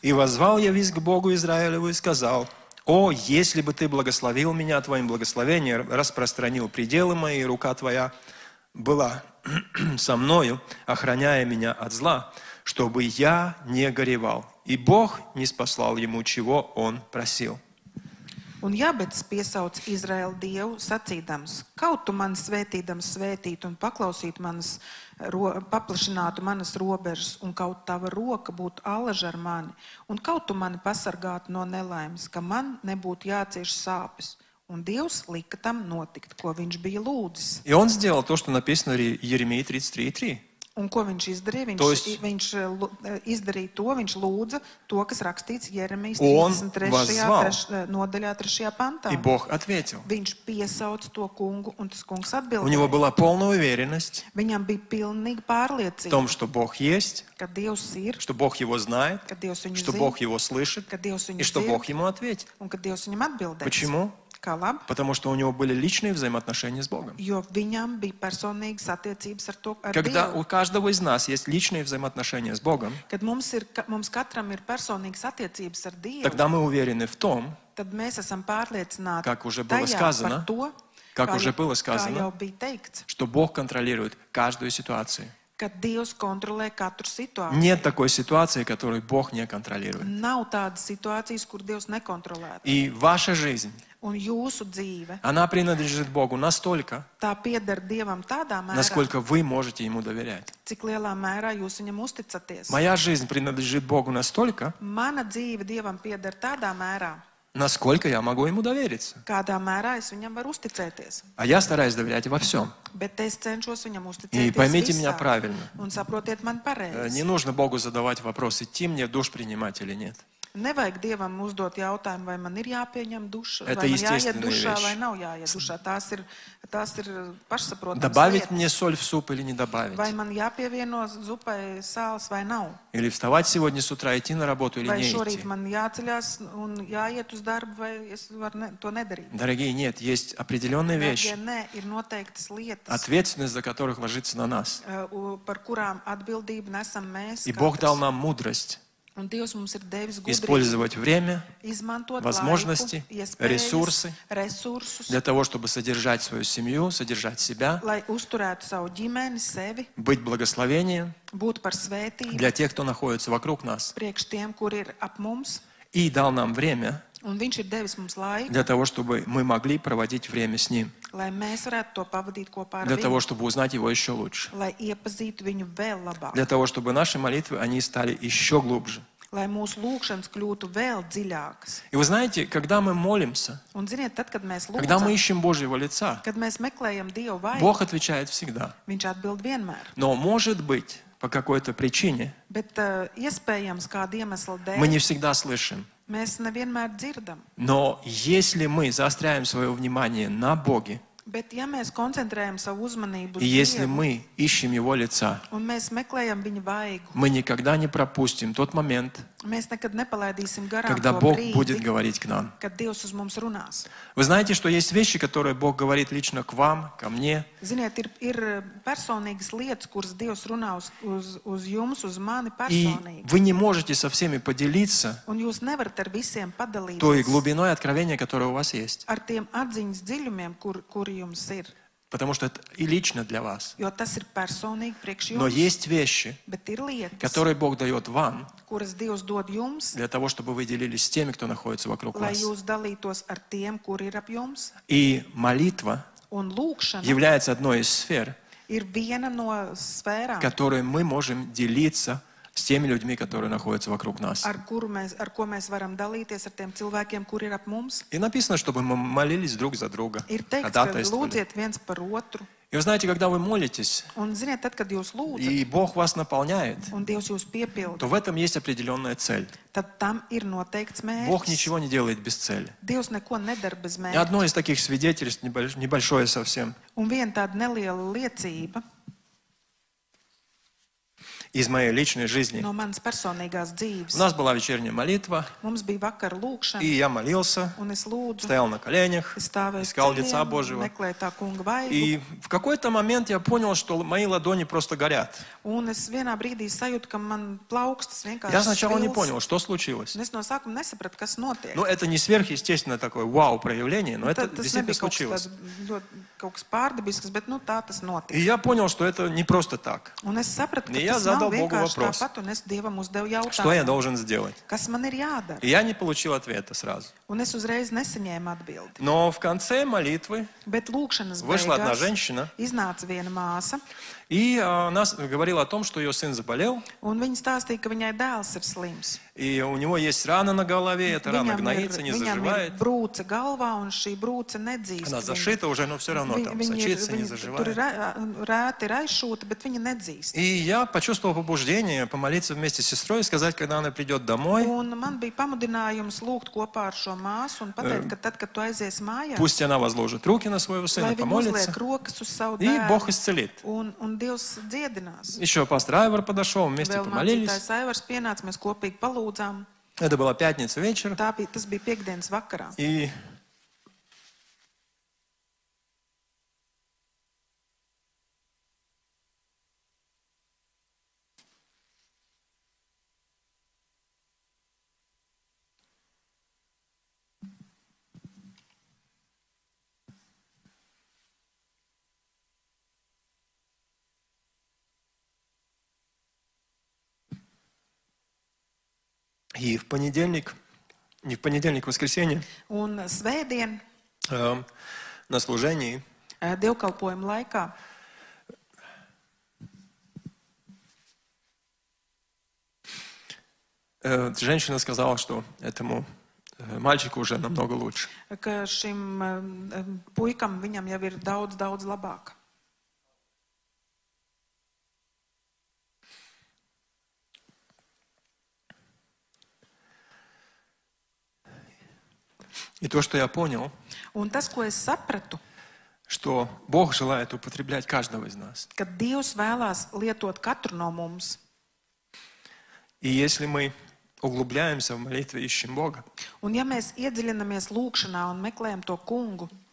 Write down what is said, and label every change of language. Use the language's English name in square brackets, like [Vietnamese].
[Russian] и воззвал я к Богу Израилеву и сказал, О, если бы ты благословил меня твоим благословением, распространил пределы мои, рука твоя была со мною, охраняя меня от зла, чтобы я не горевал. И Бог не спаслал ему, чего он просил. [Latvian] Un Jābets piesauc Izraēla Dievu sacīdams, kaut tu mani svētīdams svētītu un paklausītu manas, paplašinātu manas robežas, un kaut tava roka būtu alaža ar mani, un kaut tu mani pasargātu no nelaimes, ka man nebūtu jācieš sāpes. Un Dievs lika tam notikt, ko viņš bija lūdzis. [Russian] И он сделал то, что написано [Latvian] arī Jeremija 33:3. Un ko viņš izdarīja? Viņš lūdza to, kas rakstīts Jeremijas 33. nodaļā, 3. Pantā. [Russian] И Бог ответил. [Latvian] Viņš piesauc to kungu, un tas kungs atbildēja. [Russian] У него была полная уверенность. [Latvian] Viņam bija pilnīga pārliecība. [Russian] Том, что Бог есть. [Latvian] Ka Dievs ir. [Russian] Что Бог его знает. [Latvian] Ka Dievs viņu [Russian] что Бог его слышит. [Latvian] Ka Dievs viņu [Russian] и что Бог ему ответит. [Latvian] Un ka Dievs viņam atbildēs. [Russian] Почему? Потому что у него были личные взаимоотношения с Богом. [Latvian] Jo viņam bija personīgas attiecības ar to, ar [Russian] Когда [Latvian] Dievu. [Russian] У каждого из нас есть личные взаимоотношения с Богом, [Latvian] kad mums katram ir personīgas attiecības ar Dievu, [Russian] тогда мы уверены в том, [Latvian] tad mēs esam pārliecināti [Russian] как уже было [Latvian] tajā, [Russian] сказано, то, как уже было сказано, [Latvian] jau bija teikts, [Russian] что Бог контролирует каждую ситуацию. [Latvian] Kad Dievs kontrolē katru situāciju. [Russian] Нет такой ситуации, которую Бог не контролирует. [Latvian] Nav tādas situācijas, kur Dievs nekontrolē. [Russian] И ваша жизнь [Latvian] Un jūsu dzīve, [Russian] она принадлежит Богу настолько, [Latvian] tā pieder Dievam tādā mērā, [Russian] насколько вы можете Ему доверять. [Latvian] Cik lielā mērā jūs Viņam uzticaties. [Russian] Моя жизнь принадлежит Богу настолько, [Latvian] mana dzīve Dievam pieder tādā mērā, [Russian] насколько я могу Ему довериться. [Latvian] Kādā mērā es Viņam varu uzticēties. [Russian] А я стараюсь доверять во всем. [Latvian] Bet es cenšos Viņam uzticēties [Russian] И поймите [Latvian] visā. [Russian] Меня правильно. [Latvian] Un saprotiet mani pareizi. [Russian] Не нужно Богу задавать вопросы, идти мне душ принимать или нет. [Latvian] Nevajag Dievam uzdot jautājumu, vai man ir jāpieņem duša, [Russian] Это [Latvian] vai man jāiet dušā, [Russian] вещь. [Latvian] Vai nav jāiet dušā. Tās ir pašsaprotams [Russian] Добавить мне соль в суп или не добавить. [Latvian] Vai man jāpievieno zupai sāls vai nav. [Russian] Или вставать сегодня с утра, идти на работу или [Latvian] vai [Russian] не идти. [Latvian] Vai šorīt man jāceļās un jāiet uz darbu, vai es varu to nedarīt. [Russian] Дорогие, нет, есть определенные вещи. [Latvian] Nē, ir noteiktas lietas. [Russian] Ответственность за которых ложится на нас. [Latvian] Par kurām atbildību nesam mēs. [Russian] И Бог дал нам мудрость. [Latvian] Un Dievs mums ir devis gudrību, [Russian] использовать время, [Latvian] izmantot [Russian] возможности, [Latvian] laiku, iespējas, [Russian] ресурсы, [Latvian] ресурсус, [Russian] для того, чтобы содержать свою семью, содержать себя, [Latvian] lai uzturētu savu ģimeni, sevi, [Russian] быть благословением, [Latvian] būt par svētību, [Russian] для тех, кто находится вокруг нас, [Latvian] priekš tiem, kuri ir ap mums, [Russian] и дал нам время, [Latvian] un viņš ir devis mums laiku, [Russian] для того, чтобы мы могли проводить время с ним, [Latvian] lai mēs varētu to pavadīt kopā ar viņu, [Russian] для того, чтобы узнать его еще лучше, [Latvian] lai iepazītu viņu vēl labāk, [Russian] для того, чтобы наши молитвы, они стали еще глубже, [Latvian] lai mūsu lūkšanas kļūtu vēl dziļākas. [Russian] И вы знаете, когда мы молимся, [Latvian] un ziniet, tad, kad mēs lūdzam, [Russian] когда мы ищем Божьего лица, [Latvian] kad mēs meklējam Dievu vaidu, [Russian] Бог отвечает всегда. [Latvian] Viņš atbild vienmēr. [Russian] Но может быть, по какой-то причине, [Latvian] bet iespējams, kāda iemesla dēļ, [Russian] мы не всегда слышим. [Latvian] Mēs nevienmēr dzirdam. [Russian] Но если мы застряем свое внимание на Боге, [Latvian] bet ja mēs koncentrējam savu uzmanību [Russian] uz Если мы ищем его лица, [Latvian] un mēs meklējam viņa vaigu, [Russian] мы никогда не пропустим тот момент, [Latvian] Mēs nekad nepalaidīsim garām, [Russian] когда Бог будет говорить к нам. [Latvian] Kad Dievs uz mums runās. [Russian] Вы знаете, что есть вещи, которые Бог говорит лично к вам, ко мне. [Latvian] Ziniet, ir personīgas lietas, kuras Dievs runā uz jums, uz mani personīgi. [Russian] И вы не можете со всеми поделиться. [Latvian] Un jūs nevarat ar visiem padalīties. [Russian] Той глубиной откровения, которое у вас есть. [Latvian] Ar tiem atziņas dziļumiem, kur jums ir. [Russian] Потому что это и лично для вас. [Latvian] Jo tas ir personīgi priekš jums. [Russian] Но есть вещи, [Latvian] bet ir lietas, [Russian] которые Бог дает вам, [Latvian] kuras Dievs dod jums, [Russian] для того, чтобы вы делились с теми, кто находится вокруг [Latvian] lai [Russian] вас. [Latvian] Jūs dalītos ar tiem, kuri ir ap jums. [Russian] И молитва [Latvian] un lūkšana [Russian] является одной из сфер, [Latvian] ir viena no sfērām, [Russian] которой мы можем делиться с теми людьми, которые находятся вокруг нас. [Latvian] Ar ko mēs varam dalīties ar tiem cilvēkiem, kuri ir ap mums. [Russian] И написано, чтобы мы молились друг за друга. [Latvian] Ir teikts, ka lūdziet viens par otru. [Russian] И вы знаете, когда вы молитесь, [Latvian] un, ziniet, tad, kad jūs lūdzat, [Russian] и Бог вас наполняет, [Latvian] un Dievs jūs piepild, [Russian] то в этом есть определенная цель. [Latvian] Tad tam ir noteikts mērķis. [Russian] Бог ничего не делает без цели. [Latvian] Dievs neko nedar bez mērķa. [Russian] И одно из таких свидетельств, небольшое совсем. [Latvian] Un viena tāda neliela liecība, [Russian] из моей личной жизни. [Latvian] No manas personīgās dzīves. [Russian] У нас была вечерняя молитва. [Latvian] Mums bija vakar lūkšana. [Russian] И я молился. [Latvian] Un es lūdzu. [Russian] Стоял на коленях. [Latvian] Stāvēju [Russian] искал лица Божьего. [Latvian] Meklēju tā kunga vaigu. [Russian] И в какой-то момент я понял, что мои ладони просто горят. [Latvian] Un es vienā brīdī sajūtu, ka man plaukstas vienkārši [Russian] Я сначала не понял, что случилось. [Latvian] Es no sākuma nesapratu, kas notiek. [Russian] Ну, это не сверхъестественное такое вау проявление, но это действительно случилось. [Latvian] Kaut kas pārdabisks, bet nu tā tas notika. [Russian] И я понял, что это не просто так. [Latvian] Un es sapratu, ka tas nav vienkārši tāpat, un es Dievam uzdevu jautājumu. [Russian] Что я должен сделать? [Latvian] Kas man ir jādara? [Russian] И я не получил ответа сразу. [Latvian] Un es uzreiz neseņēmu atbildi. [Russian] Но в конце молитвы [Latvian] bet lūkšanas [Russian] вышла одна женщина. [Latvian] Iznāca viena māsa. [Russian] И она говорила о том, что ее сын заболел. [Latvian] Un viņa stāstīja, ka viņai dēls ir slims. [Russian] И у него есть рана на голове, эта рана гноится, не заживает. [Latvian] Viņam ir brūce galvā, un šī brūce nedzīst. [Russian] Она зашита уже, но все равно там сочится, не заживает. [Latvian] Tur rēta ir aizšūta, bet viņa nedzīst. [Russian] И я почувствовал побуждение помолиться вместе с сестрой, сказать, когда она придет домой. [Latvian] Un man bija pamudinājums lūgt kopā ar šo māsu un pateikt, ka tad, kad tu aizies mājās, [Russian] пусть она возложит руки на своего сына, помолится. И Бог исцелит. [Latvian] Un Dievs dziedinās. [Russian] Ещё пастор Айвар подошёл, вместе помолились. [Latvian] Vēl mācītājs Айварс pienāca, mēs kopīgi palūdzām. [Russian] Это была пятница вечер. [Latvian] Tas bija piekdienas vakarā. [Russian] И и в понедельник, не в понедельник, в воскресенье. [Latvian] Un svētdien, [Russian] на служении. [Latvian] Dievkalpojuma laikā. [Russian] Женщина сказала, что этому мальчику уже намного лучше. [Latvian] Ka šim puikam viņam jau ir daudz, daudz labāk. [Russian] И то, что я понял, [Latvian] un tas, ko es sapratu, [Russian] что Бог желает употреблять каждого из нас. [Latvian] Kad Dievs vēlās lietot katru no mums. [Russian] И если мы углубляемся в молитве, ищем Бога, [Latvian] un ja mēs iedziļināmies lūkšanā un meklējam to kungu,